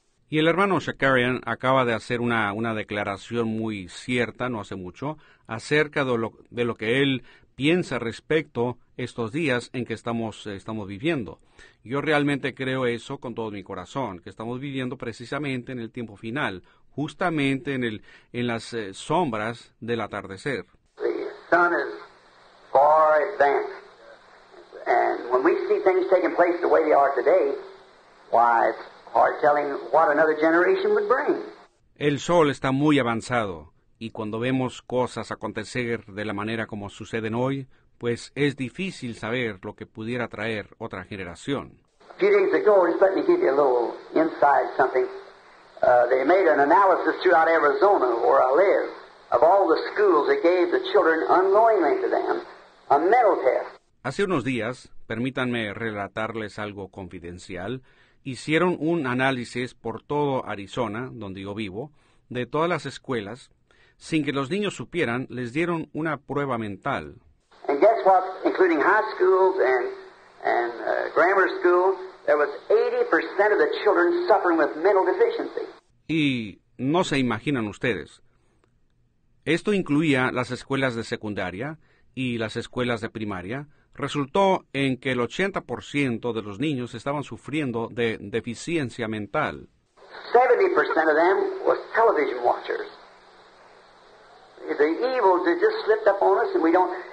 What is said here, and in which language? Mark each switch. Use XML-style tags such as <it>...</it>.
<es>Y el hermano Shakarian acaba de hacer una declaración muy cierta, no hace mucho, acerca de lo que él piensa respecto estos días en que estamos viviendo. Yo realmente creo eso con todo mi corazón, que estamos viviendo precisamente en el tiempo final, justamente en las sombras del atardecer.</es> <en>The sun is far advanced. And when we see things taking place the way they are today, why, it's hard telling what another generation would bring.</en> <es>El sol está muy avanzado. Y cuando vemos cosas acontecer de la manera como suceden hoy, pues es difícil saber lo que pudiera traer otra generación.</es> <en>A few days ago, just let me give you a little insight something. They made an analysis throughout Arizona, where I live, of all the schools that gave the children unknowingly to them a mental test.</en> <es>Hace unos días, permítanme relatarles algo confidencial, hicieron un análisis por todo Arizona, donde yo vivo, de todas las escuelas. Sin que los niños supieran, les dieron una prueba mental.</es> <en>And guess what? Including high schools and grammar school, there was 80% of the children suffering with mental deficiency.</en> <es>Y no se imaginan ustedes. Esto incluía las escuelas de secundaria y las escuelas de primaria. Resultó en que el 80% de los niños estaban sufriendo de deficiencia mental.</es> <en>70% of them was television watchers. The evil just slipped up on us and we don't...</en>